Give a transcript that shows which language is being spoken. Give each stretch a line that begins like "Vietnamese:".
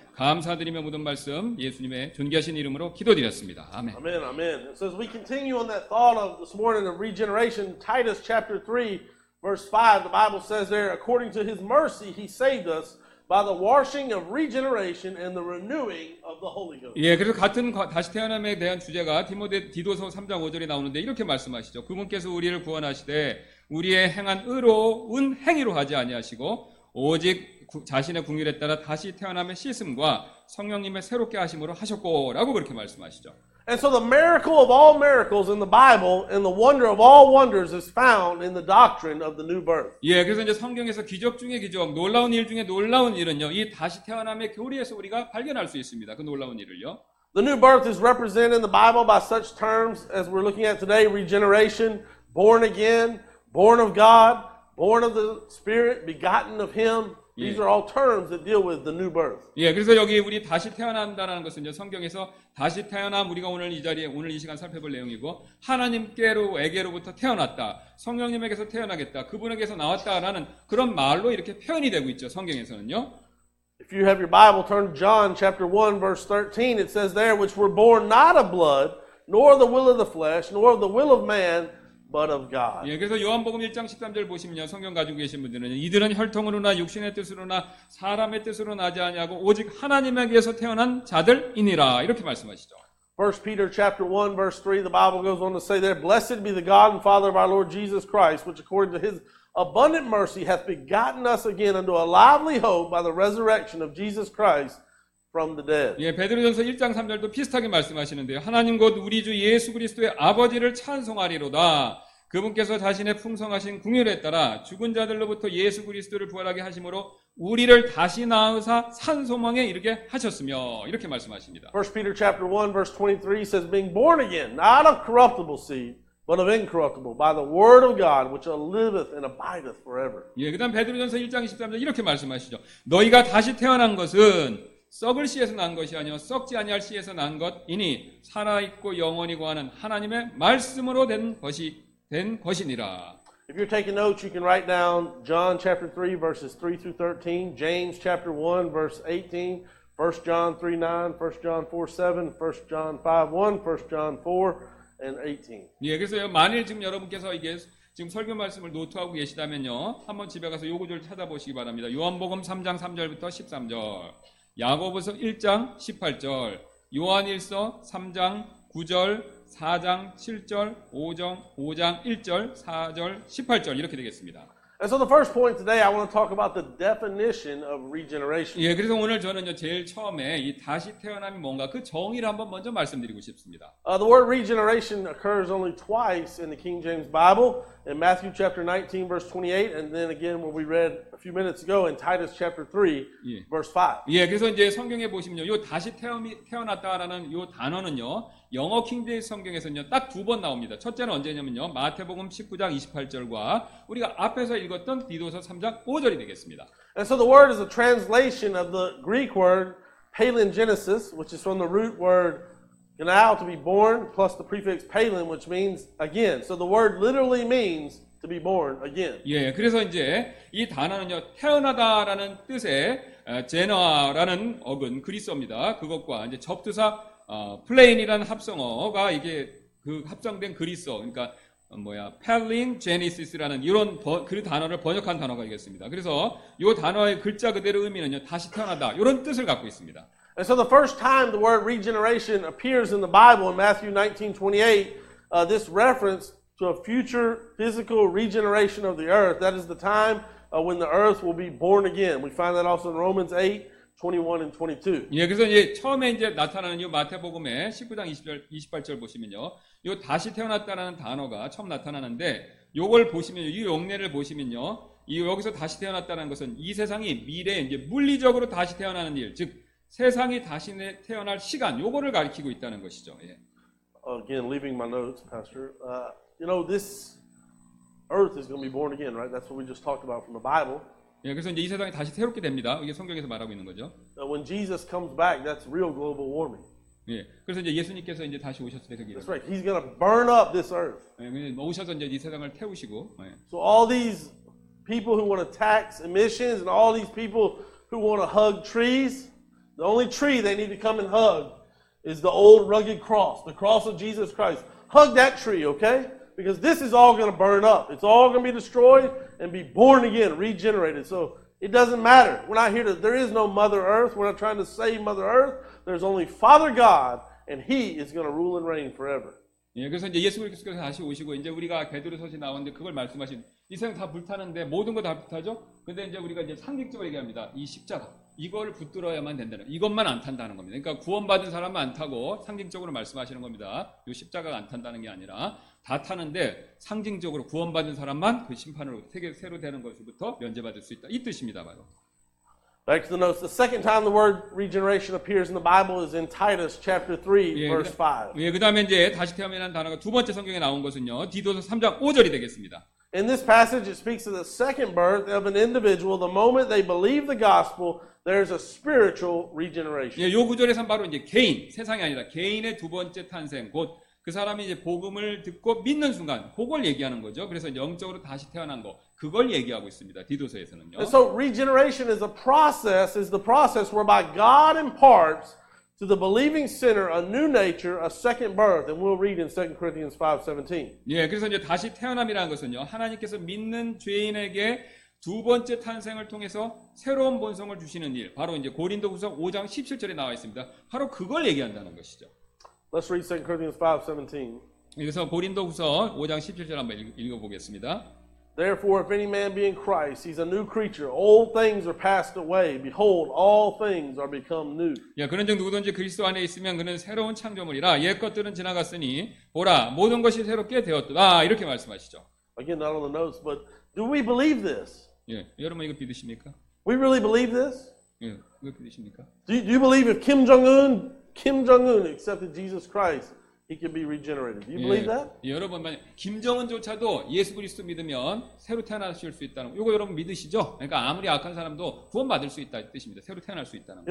Korean: 감사드리며 모든 말씀 예수님의 존귀하신 이름으로 기도드렸습니다. 아멘. 아멘. 아멘.
English: So as we continue on that thought of this morning of regeneration, Titus chapter 3 verse 5, the Bible says there, according to his mercy he saved us by the washing of regeneration and the renewing of the Holy Ghost.
Korean: 예, 그래서 같은 다시 태어남에 대한 주제가 디모데 디도서 3장 5절에 나오는데 이렇게 말씀하시죠. 그분께서 우리를 구원하시되 우리의 행한 의로 운 행위로 하지 아니하시고 오직 자신의 궁휼에 따라 다시 태어남의 씻음과 성령님의 새롭게 하심으로 하셨고라고 그렇게 말씀하시죠.
English: And so the miracle of all miracles in the Bible and the wonder of all wonders is found in the doctrine of the new birth.
Korean: 예, 그래서 이제 성경에서 기적 중에 기적, 놀라운 일 중에 놀라운 일은요. 이 다시 태어남의 교리에서 우리가 발견할 수 있습니다. 그 놀라운 일을요.
English: The new birth is represented in the Bible by such terms as we're looking at today, regeneration, born again, born of God, born of the Spirit, begotten of him. These are all terms that deal with the new birth.
Korean: 예, 그래서 여기 우리 다시 태어난다라는 것은요, 성경에서 다시 태어남 우리가 오늘 이 자리에 오늘 이 시간 살펴볼 내용이고 하나님께로에게로부터 태어났다, 성령님에게서 태어나겠다, 그분에게서 나왔다라는 그런 말로 이렇게 표현이 되고 있죠, 성경에서는요.
English: If you have your Bible, turn to John chapter 1 verse 13. It says there, which were born not of blood, nor the will of the flesh, nor the will of man. But of God.
Korean: 예, 그래서 요한복음 1장 13절 보시면요, 성경 가지고 계신 분들은 이들은 혈통으로나 육신의 뜻으로나 사람의 뜻으로 나지 아니하고 오직 하나님에게서 태어난 자들이니라 이렇게 말씀하시죠.
English: First Peter chapter 1 verse 3, the Bible goes on to say there, Blessed be the God and Father of our Lord Jesus Christ, which according to His abundant mercy hath begotten us again unto a lively hope by the resurrection of Jesus Christ. From the dead.
Korean: 예, 베드로전서 1장 3절도 비슷하게 말씀하시는데요. 하나님 곧 우리 주 예수 그리스도의 아버지를 찬송하리로다. 그분께서 자신의 풍성하신 긍휼에 따라 죽은 자들로부터 예수 그리스도를 부활하게 하심으로 우리를 다시 낳으사 산 소망에 이르게 하셨으며 이렇게 말씀하십니다.
English: 1 Peter chapter 1 verse 23 says being born again not of corruptible seed but of incorruptible by the word of God which liveth and abideth forever.
Korean: 예, 그다음 베드로전서 1장 23절 이렇게 말씀하시죠. 너희가 다시 태어난 것은 썩을 씨에서 난 것이 아니요 썩지 아니할 씨에서 난 것이니 살아 있고 영원히 거하는 하나님의 말씀으로 된 것이니라.
English: If you're taking notes, you can write down John chapter 3 verses 3 through 13, James chapter 1 verse 18, 1 John 3:9, 1 John 4:7, 1 John 5:1, 1 John 4, and 18.
Korean: 예, 그래서요. 만일 지금 여러분께서 이게 지금 설교 말씀을 노트하고 계시다면요. 한번 집에 가서 요 구절 찾아보시기 바랍니다. 요한복음 3장 3절부터 13절. 야고보서 1장 18절. 요한일서 3장 9절, 4장 7절, 5장 1절, 4절, 18절 이렇게 되겠습니다.
English: And so the first point today I want to talk about the definition of regeneration.
Korean: 예, 그래서 오늘 저는요 제일 처음에 이 다시 태어남이 뭔가 그 정의를 한번 먼저 말씀드리고 싶습니다.
English: The word regeneration occurs only twice in the King James Bible in Matthew chapter 19 verse 28 and then again when we read a few minutes ago in Titus chapter 3 예. verse 5.
Korean: 예, 그래서 이제 성경에 보시면요. 이 다시 태어났다라는 이 단어는요. 영어 킹제이 성경에서는요 딱 두 번 나옵니다. 첫째는 언제냐면요 마태복음 19장 28절과 우리가 앞에서 읽었던 디도서 3장 5절이 되겠습니다.
English: And so the word is a translation of the Greek word palingenesis, which is from the root word genao, to be born, plus the prefix palin, which means again. So the word literally means to be born again.
Korean: 예, 그래서 이제 이 단어는요 태어나다라는 뜻의 제너라는 어근 그리스어입니다. 그것과 이제 접두사 플레인이라는 합성어가 이게 그 합성된 그리스어, 그러니까 뭐야 펠링 제네시스라는 이런 그 단어를 번역한 단어가 되겠습니다. 그래서 이 단어의 글자 그대로 의미는요 다시 태어나다 이런 뜻을 갖고 있습니다.
English: And so the first time the word regeneration appears in the Bible in Matthew 19:28, this reference to a future physical regeneration of the earth. That is the time when the earth will be born again. We find that also in Romans 8. 21 and 22.
Korean: 예, 그래서 이제 처음에 이제 나타나는 요 마태복음의 19장 20절, 28절 보시면요. 요 다시 태어났다라는 단어가 처음 나타나는데 요걸 보시면 이 용례를 보시면요. 이 여기서 다시 태어났다는 것은 이 세상이 미래에 이제 물리적으로 다시 태어나는 일, 즉 세상이 다시 태어날 시간 요거를 가리키고 있다는 것이죠. 예.
English: Again leaving my notes, pastor. You know this earth is going to be born again, right? That's what we just talked about from the Bible.
Korean: 예, 그래서 이제 이 세상이 다시 새롭게 됩니다. 이게 성경에서 말하고 있는 거죠.
English: When Jesus comes back, that's real global warming.
Korean: 예, 그래서 이제 예수님께서 이제 다시 오셨을 때
English: That's right. He's gonna burn up this earth.
Korean: 예, 오셔서 이제 이 세상을 태우시고. 예.
English: So all these people who want to tax emissions and all these people who want to hug trees, the only tree they need to come and hug is the old rugged cross, the cross of Jesus Christ. Hug that tree, okay? Because this is all gonna burn up. It's all gonna be destroyed. And be born again, regenerated. So it doesn't matter. We're not here to. There is no Mother Earth. We're not trying to save Mother Earth. There's only Father God, and He is going to rule and reign forever.
Korean: 예, 그래서 이제 예수님께서 다시 오시고 이제 우리가 베드로서신 나왔는데 그걸 말씀하신 이 세상 다 불타는데 모든 거 다 불타죠? 근데 이제 우리가 이제 상징적으로 얘기합니다. 이 십자가 이거를 붙들어야만 된다는. 이것만 안 탄다는 겁니다. 그러니까 구원받은 사람은 안 타고 상징적으로 말씀하시는 겁니다. 이 십자가가 안 탄다는 게 아니라. 다 타는데 상징적으로 구원받은 사람만 그 심판으로 새로 되는 것으로부터 면제받을 수 있다. 이 뜻입니다, 바로.
English: Back to the notes. The second time the word regeneration appears in the Bible is in Titus chapter 3 예, verse 5.
Korean: 예, 그다음에 이제 다시 태어난 단어가 두 번째 성경에 나온 것은요. 디도서 3장 5절이 되겠습니다.
English: In this passage it speaks of the second birth of an individual the moment they believe the gospel there's a spiritual regeneration.
Korean: 예, 요 구절에선 바로 이제 개인, 세상이 아니라 개인의 두 번째 탄생 곧 그 사람이 이제 복음을 듣고 믿는 순간 그걸 얘기하는 거죠. 그래서 영적으로 다시 태어난 거 그걸 얘기하고 있습니다. 디도서에서는요.
English: And so regeneration is a process is the process whereby God imparts to the believing sinner a new nature, a second birth. And we'll read in 2 Corinthians 5:17.
Korean: 예, 그래서 이제 다시 태어남이라는 것은요. 하나님께서 믿는 죄인에게 두 번째 탄생을 통해서 새로운 본성을 주시는 일. 바로 이제 고린도후서 5장 17절에 나와 있습니다. 바로 그걸 얘기한다는 것이죠.
English: Let's read 2 Corinthians 5:17.
Korean: 그래서 고린도후서 5장 17절 한번 읽어보겠습니다.
English: Therefore, if any man be in Christ, he's a new creature. Old things are passed away. Behold, all things are become new.
Korean: 예, 그런즉 누구든지 그리스도 안에 있으면 그는 새로운 창조물이라 옛 것들은 지나갔으니 보라 모든 것이 새롭게 되었도다. 이렇게 말씀하시죠.
English: Again, not on the notes, but do we believe this?
Korean: 예, 여러분 이거 믿으십니까?
English: We really believe this?
Korean: 예, 이거 믿으십니까?
English: Do you believe if Kim Jong-un accepted Jesus Christ, he could be regenerated. Do you believe that?
Korean: 예, 여러분, 만약 김정은조차도 예수 그리스도 믿으면 새로 태어나실 수 있다는 거. 이거 여러분 믿으시죠? 그러니까 아무리 악한 사람도 구원받을 수 있다는 뜻입니다. 새로 태어날 수 있다는 거.